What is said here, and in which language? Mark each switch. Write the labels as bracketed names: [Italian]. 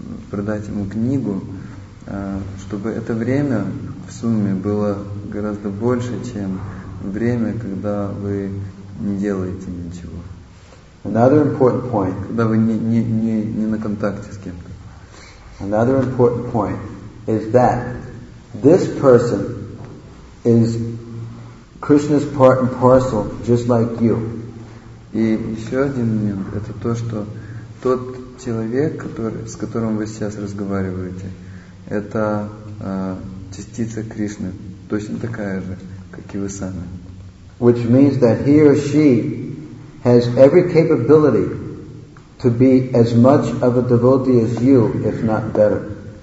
[Russian] продать ему книгу, чтобы это время в сумме было гораздо больше, чем время, когда вы не делаете ничего. [English] Another important point. [Russian] Когда вы не на контакте с кем-то. [English] Another important point is that this person is Krishna's part and parcel, just like you. [Russian] И еще один момент — это то, что тот человек, который, с которым вы сейчас разговариваете, это частица Кришны, точно такая же, как и вы сами. [English] Which means that he or she has every capability to be as much of a devotee as you, if not better.